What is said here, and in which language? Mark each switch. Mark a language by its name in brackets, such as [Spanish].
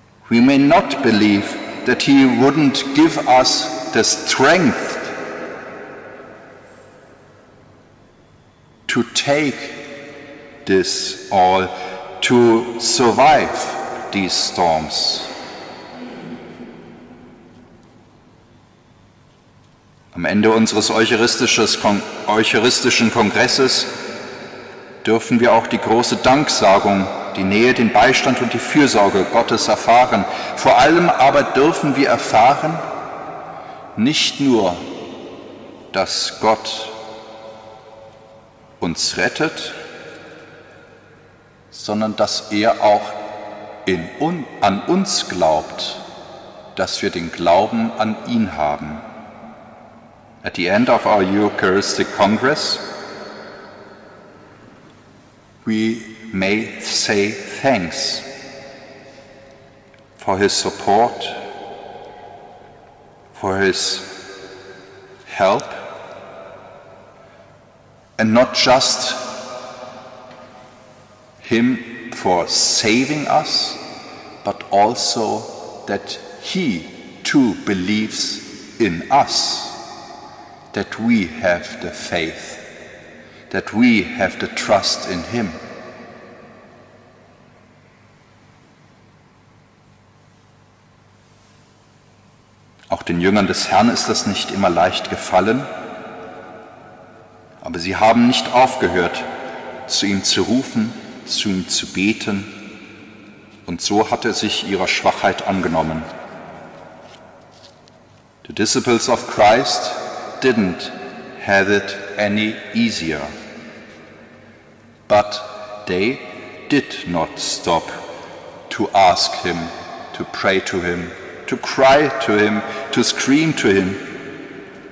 [English] We may not believe that He wouldn't give us the strength to take this all, to survive these storms. [German] Am Ende unseres eucharistischen Kongresses dürfen wir auch die große Danksagung, die Nähe, den Beistand und die Fürsorge Gottes erfahren. Vor allem aber dürfen wir erfahren, nicht nur, dass Gott uns rettet, sondern dass er auch an uns glaubt, dass wir den Glauben an ihn haben. [English] At the end of our Eucharistic Congress, we may say thanks for his support, for his help, and not just him for saving us, but also that he too believes in us, that we have the faith, that we have the trust in him. [German] Auch den Jüngern des Herrn ist das nicht immer leicht gefallen, aber sie haben nicht aufgehört, zu ihm zu rufen, zu ihm zu beten, und so hat er sich ihrer Schwachheit angenommen. [English] The disciples of Christ didn't have it any easier, but they did not stop to ask him, to pray to him, to cry to him, to scream to him.